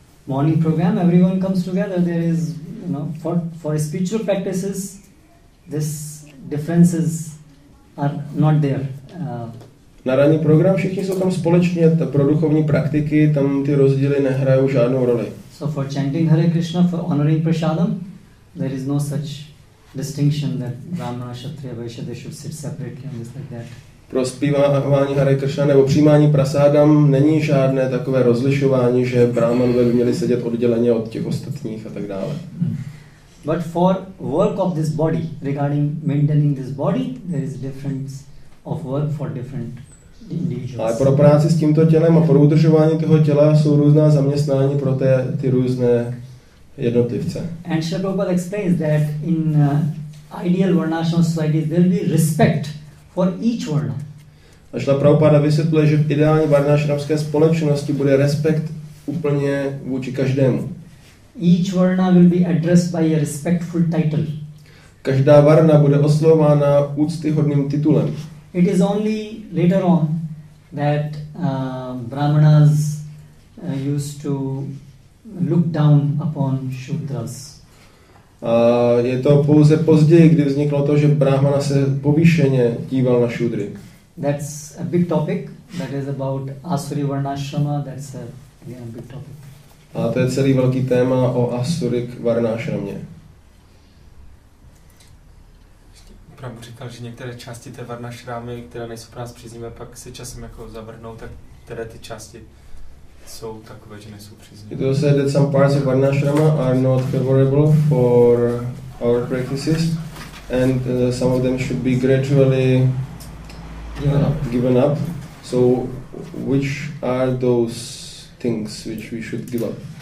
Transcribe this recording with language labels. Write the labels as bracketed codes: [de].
[en] Morning program, everyone comes together, there is, you know, for spiritual practices, this differences are not there. [cs] Na ranní program všichni jsou tam společně, ta pro duchovní praktiky, tam ty rozdíly nehrajou žádnou roli. [en] So for chanting Hare Krishna, for honoring prasadam, there is no such distinction that Brahmana, Kshatriya, Vaishya, they should sit separately and just like that. [cs] Pro zpívání Hare Krishna nebo přijímání prasadam není žádné takové rozlišování, že Brahmanové by měli sedět odděleně od těch ostatních a tak dále. [en] But for work of this body, regarding maintaining this body, there is difference of work for different individuals. [cs] Ale pro práci s tímto tělem a pro udržování toho těla jsou různá zaměstnání pro ty různé jednotlivce. [en] And Shri Prabhupada explains that in ideal varnashram society there will be respect for each varna. [cs] A Shri Prabhupada vysvětluje, že v ideální varnashramské společnosti bude respekt úplně vůči každému. [en] Each varna will be addressed by a respectful title. [cs] Každá varna bude oslovována úctyhodným titulem. [en] It is only later on that Brahmanas used to look down upon Shudras. [cs] Je to pouze později, kdy vzniklo to, že Brahmana se povýšeně díval na Shudry. [en] That's a big topic. That is about Asuri Varnashrama. That's a really big topic. [cs] A to je celý velký téma o Asurik Varnashramě. Prabhu říkal, že některé části té varnašrámy, které nejsou pro nás příznivé, pak se časem jako zavrhnou, tak které ty části jsou takové, že nejsou příznivé. [en] It was said that some parts of varnašrama are not favorable for our practices and some of them should be gradually given up. So which are those things which we should give up?